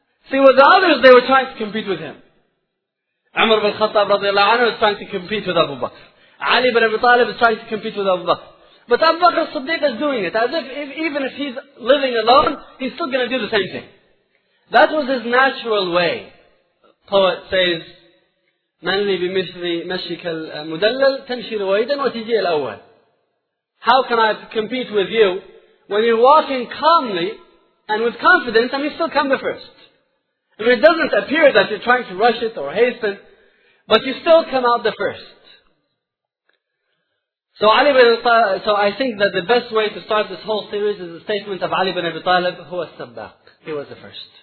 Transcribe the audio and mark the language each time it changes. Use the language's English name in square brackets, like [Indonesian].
[English] See, with the others, they were trying to compete with him. Umar ibn Khattab radiallahu anhu was trying to compete with Abu Bakr. Ali ibn Abi Talib is trying to compete with Abu Bakr. But Abu Bakr al-Siddiq is doing it, as if even if he's living alone, he's still going to do the same thing. That was his natural way. Poet says, [Arabic] مَنْ لِي بِمِثْلِ مَشِّكَ الْمُدَلَّلْ تَمْشِي رُوَيْدًا وَتِجِيَ الْأَوَّلْ. [English] How can I compete with you when you're walking calmly and with confidence and you still come the first? I mean, it doesn't appear that you're trying to rush it or hasten, but you still come out the first. So I think that the best way to start this whole series is the statement of Ali ibn Abi Talib, who was Sabbaq. He was the first.